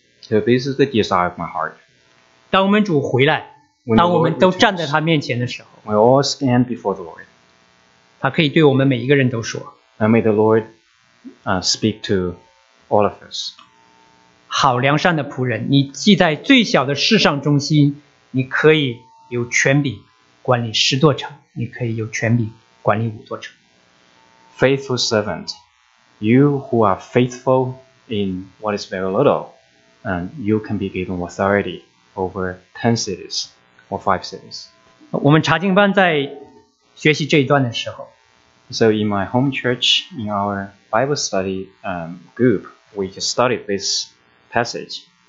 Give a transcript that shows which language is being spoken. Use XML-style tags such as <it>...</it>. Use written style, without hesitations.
<en>So this is the desire of my heart.</en> <zh>当我们主回来, 当我们都站在他面前的时候,</zh> <en>We all stand before the Lord.</en> <zh>他可以对我们每一个人都说,</zh> <en>And may the Lord speak to all of us.</en> <zh>好良善的仆人, 你既在最小的事上中心, 你可以有权柄管理十座城, 你可以有权柄管理五座城。</zh> <en>Faithful servant, you who are faithful in what is very little, and you can be given authority over 10 cities or 5 cities.</en> <zh>我们查经班在学习这一段的时候,</zh> <en>So in my home church, in our Bible study group, we just studied this passage.</en>